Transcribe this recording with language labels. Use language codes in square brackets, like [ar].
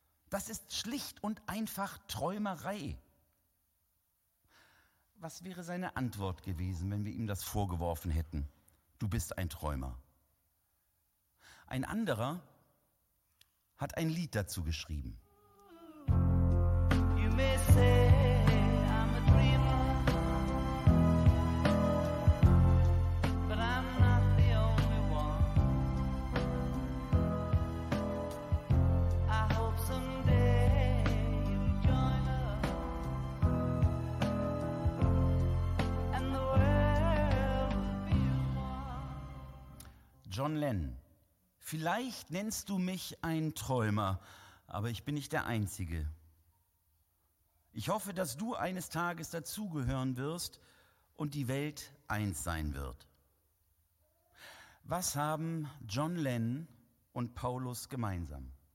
[de] Das ist schlicht und einfach Träumerei. Was wäre seine Antwort gewesen, wenn wir ihm das vorgeworfen hätten? Du bist ein Träumer. Ein anderer hat ein Lied dazu geschrieben. [en] You may say I'm a dreamer, but I'm not the only one. I hope someday you join us and the world will be one. John Lennon. [de] Vielleicht nennst du mich ein Träumer, aber ich bin nicht der Einzige. Ich hoffe, dass du eines Tages dazugehören wirst und die Welt eins sein wird. Was haben John Lennon und Paulus gemeinsam?